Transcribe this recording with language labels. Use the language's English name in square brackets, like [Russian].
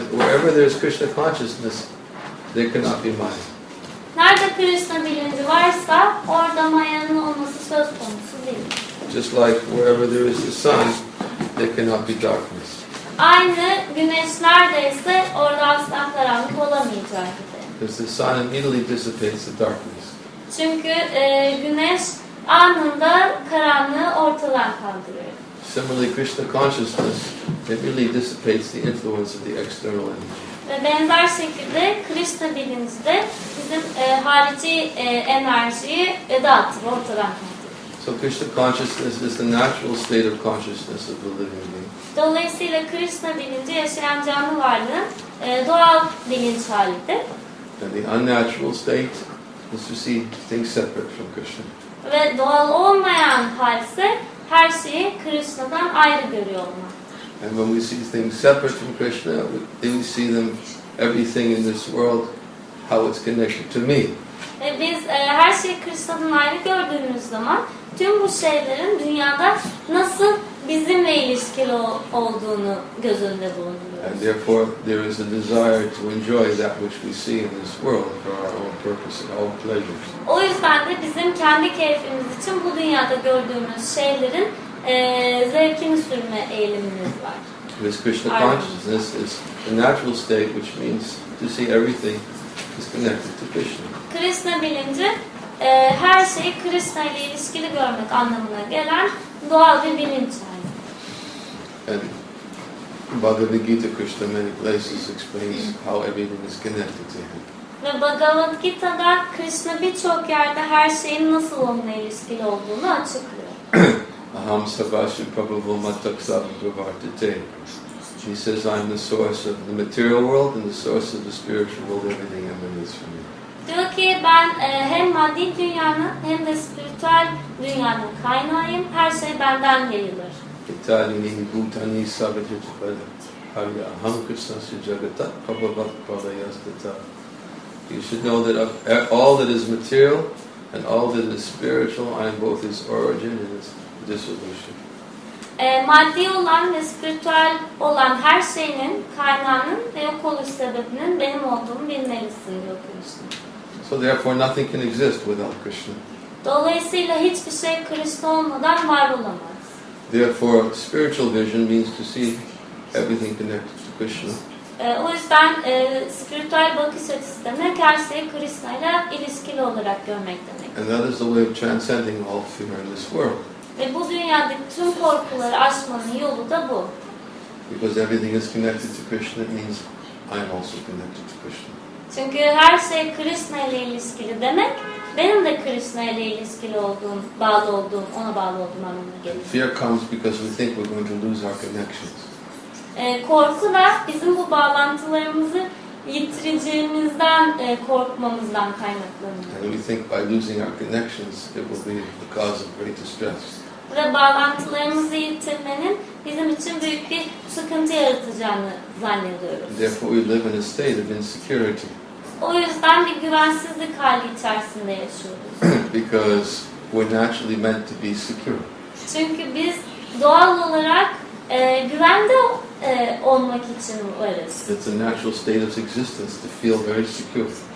[English] Wherever there is Krishna consciousness, there cannot be Maya. [Turkish] Nerede Krishna bilinci varsa, orada Maya'nın olması söz konusu değil. [English] Just like wherever there is the sun, there cannot be darkness. [Turkish] Aynı güneş neredeyse, orada asla karanlık olamayacak. [English] Because the sun immediately dissipates the darkness. [Turkish] Çünkü güneş anında karanlığı ortadan kaldırıyor. [English] Similarly, Krishna consciousness immediately dissipates the influence of the external energy. [Turkish] Ve benzer şekilde Krishna bilincinde bizim harici enerjiyi dağıtır, ortadan kaldırır. [English] So Krishna consciousness is the natural state of consciousness of the living being. [Turkish] Dolayısıyla Krishna bilinci yaşayan canlı varlığın doğal bilinç halidir. [English] And the unnatural state is to see things separate from Krishna. [Turkish] Ve doğal olmayan hal ise her şeyi Krishna'dan ayrı görüyor olmak. [English] And when we see things separate from Krishna, then we see them, everything in this world, how it's connected to me. [Turkish] Biz her şeyi Krishna'dan ayrı gördüğümüz zaman, tüm bu şeylerin dünyada nasıl bizimle ilişkili olduğunu göz önünde bulunduruyoruz. [English] And therefore, there is a desire to enjoy that which we see in this world for our own purpose and our own pleasures. [Turkish] O yüzden de bizim kendi keyfimiz için bu dünyada gördüğümüz şeylerin zevkini sürme eğilimimiz var. [English] This Krishna consciousness is a natural state, which means to see everything is connected to Krishna. [Turkish] Krishna bilinci, her şeyi Krishna ile ilişkili görmek anlamına gelen doğal bir bilinç. [English] Bhagavad Gita Krishna many places explains how everything is connected to him. [Turkish] Ve Bhagavad Gita'da Krishna birçok yerde her şeyin nasıl onunla ilişkili olduğunu açıklıyor. [Sanskrit] Aham sabhasya prabhavamataksabhavartate. [English] He says, I'm the source of the material world and the source of the spiritual world. Everything emanates from me. [Turkish] Diyor ki ben hem maddi dünyanın hem de spiritüel dünyanın kaynağıyım. Her şey benden yayılır. İtalini, Bhutani, Sabitit, Arya, Aham, Krishna, Sujagata, Prabhupada, Prabhupada. [English] You should know that all that is material and all that is spiritual, I am both its origin and its dissolution. [Turkish] Maddi olan ve spiritüel olan her şeyin kaynağının ve yok oluş sebebinin benim olduğumu bilmelisin diyor Krishna. [English] So therefore nothing can exist without Krishna. [Turkish] Dolayısıyla hiçbir şey Krishna olmadan var olamaz. [English] Therefore, spiritual vision means to see everything connected to Krishna. [Turkish] O yüzden spiritual bakış açısı demek her şeyi Krishna ile ilişkili olarak görmek demek. [English] And that is the way of transcending all fear in this world. [Turkish] Ve bu dünyadaki tüm korkuları aşmanın yolu da bu. [English] Because everything is connected to Krishna, it means I am also connected to Krishna. [Turkish] Çünkü her şey Krishna ile ilişkili demek, benim de Krishna ile ilişkili olduğum, bağlı olduğum, ona bağlı olduğum anlamına geliyor. [English] Fear comes because we think we're going to lose our connections. [Turkish] Korku da bizim bu bağlantılarımızı yitireceğimizden korkmamızdan kaynaklanıyor. [English] And we think by losing our connections, it will be the cause of great distress. [Turkish] Ve bağlantılarımızı yitirmenin bizim için büyük bir sıkıntı yaratacağını zannediyoruz. [English] Therefore we live in a state of insecurity. [Turkish] O yüzden bir güvensizlik hali içerisinde yaşıyoruz. [English] Because we're naturally meant to be secure. [Turkish] Çünkü biz doğal olarak güvende olmak için varız. [English] It's a natural state of existence to feel very secure.